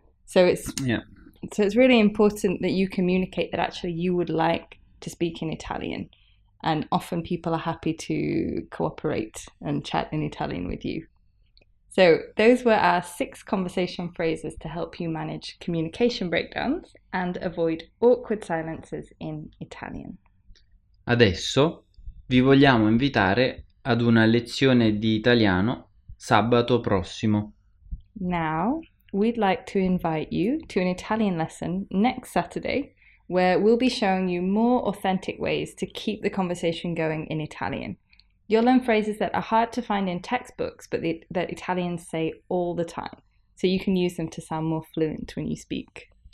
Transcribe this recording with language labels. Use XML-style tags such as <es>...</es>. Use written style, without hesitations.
<en>So it's really important that you communicate that actually you would like to speak in Italian. And often people are happy to cooperate and chat in Italian with you. So those were our 6 conversation phrases to help you manage communication breakdowns and avoid awkward silences in Italian.</en> <it>Adesso vi vogliamo invitare ad una lezione di italiano sabato prossimo.</it> <en>Now we'd like to invite you to an Italian lesson next Saturday, where we'll be showing you more authentic ways to keep the conversation going in Italian. You'll learn phrases that are hard to find in textbooks, but that Italians say all the time, so you can use them to sound more fluent when you speak.</en>